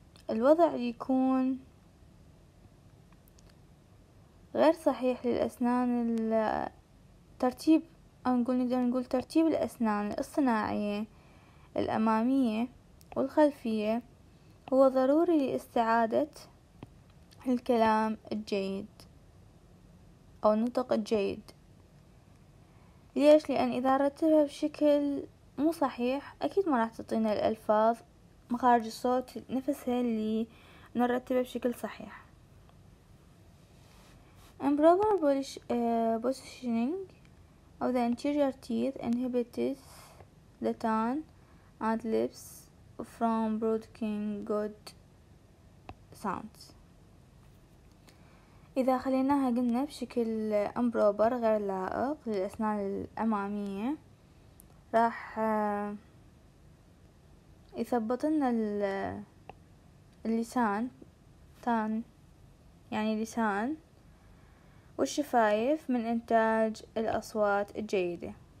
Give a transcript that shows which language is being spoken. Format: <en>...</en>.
<ar>الوضع يكون غير صحيح للأسنان، الترتيب نقدر نقول ترتيب الأسنان الاصطناعية الأمامية والخلفية هو ضروري لاستعادة الكلام الجيد أو النطق الجيد. ليش؟ لأن إذا رتبها بشكل مو صحيح أكيد ما راح تعطينا الألفاظ مخارج الصوت نفسها اللي نرتبها بشكل صحيح.</ar> <en>Improper positioning of the anterior teeth inhibits the tongue and lips from broadcasting good sounds.</en> <ar>إذا خليناها قلنا بشكل improper غير لائق للأسنان الأمامية، راح يثبط لنا اللسان تان، يعني لسان والشفايف، من إنتاج الأصوات الجيدة.</ar>